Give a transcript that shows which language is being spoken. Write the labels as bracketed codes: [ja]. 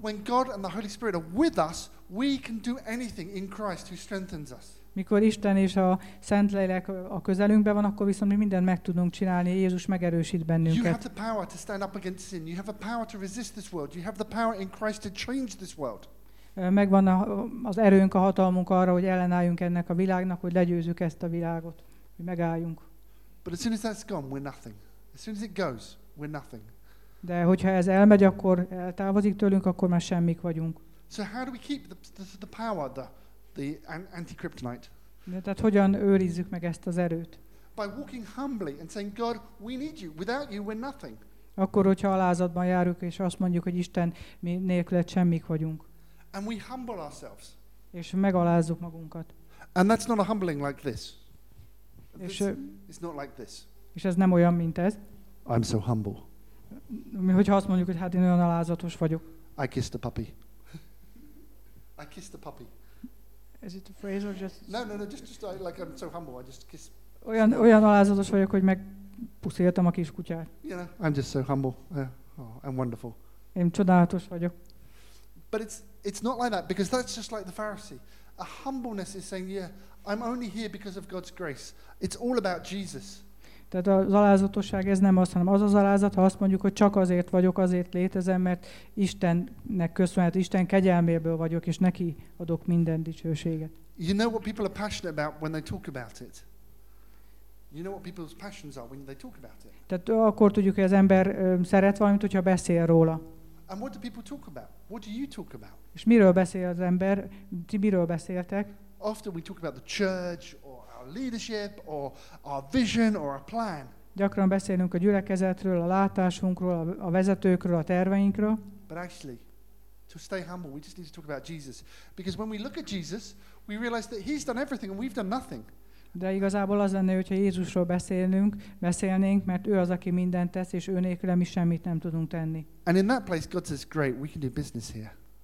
[en] When God and the Holy Spirit are with us, we can do anything in Christ who strengthens us. [hu] Mikor Isten és a Szentlélek a közelünkben van, akkor viszont mi mindent meg tudunk csinálni, Jézus megerősít bennünket. [en] You have the power to stand up against sin. You have the power to resist this world. You have the power in Christ to change this world. [hu] Megvan az erőnk, a hatalmunk arra, hogy ellenálljunk ennek a világnak, hogy legyőzzük ezt a világot, hogy megálljunk. [en] But as soon as that's gone, we're nothing. As soon as it goes, we're nothing. [hu] De hogyha ez elmegy, akkor eltávozik tőlünk, akkor már semmik vagyunk. [en] So how do we keep the power, the anti-kryptonite? [hu] De tehát hogyan őrizzük meg ezt az erőt? [en] By walking humbly and saying, God, we need you. Without you, we're nothing. [hu] Akkor, hogyha alázatban járunk, és azt mondjuk, hogy Isten, mi nélküled semmik vagyunk. [en] And we humble ourselves. [hu] És megalázzuk magunkat. [en] And that's not a humbling like this. [hu] És [en] it's not like this. [hu] És ez nem olyan, mint ez. [en] I'm so humble. [hu] Mi, hogyha azt mondjuk, hogy hát én olyan alázatos vagyok. [en] I kiss the puppy. I kiss the puppy. Is it a phrase or just? No, just like I'm so humble, I just kiss. [hu] Olyan alázatos vagyok, hogy megpuszíltam a kis kutyát. [en] You know, I'm just so humble. Yeah. Oh, I'm wonderful. [hu] Én csodálatos vagyok. [en] But it's not like that, because that's just like the Pharisee. A humbleness is saying, yeah, I'm only here because of God's grace. It's all about Jesus. [hu] Tehát az alázatosság ez nem az, hanem az az alázat, ha azt mondjuk, hogy csak azért vagyok, azért létezem, mert Istennek köszönhet, Isten kegyelméből vagyok, és neki adok minden dicsőséget. [en] You know what people are passionate about when they talk about it? You know what people's passions are when they talk about it? [hu] Tehát akkor tudjuk, hogy az ember szeret valamit, hogyha beszél róla. [en] And what do people talk about? What do you talk about? [hu] És miről beszél az ember? Ti miről beszéltek? [en] Often we talk about the church or our leadership or our vision or our plan. [hu] Gyakran beszélünk a gyülekezetről, a látásunkról, a vezetőkről, a terveinkről. [en] But actually, to stay humble, we just need to talk about Jesus. Because when we look at Jesus, we realize that he's done everything and we've done nothing. [hu] De igazából az lenne, hogyha Jézusról beszélnénk, mert ő az, aki mindent tesz, és ő nélkül mi semmit nem tudunk tenni. [en] And in that place God says, great, we can do business here.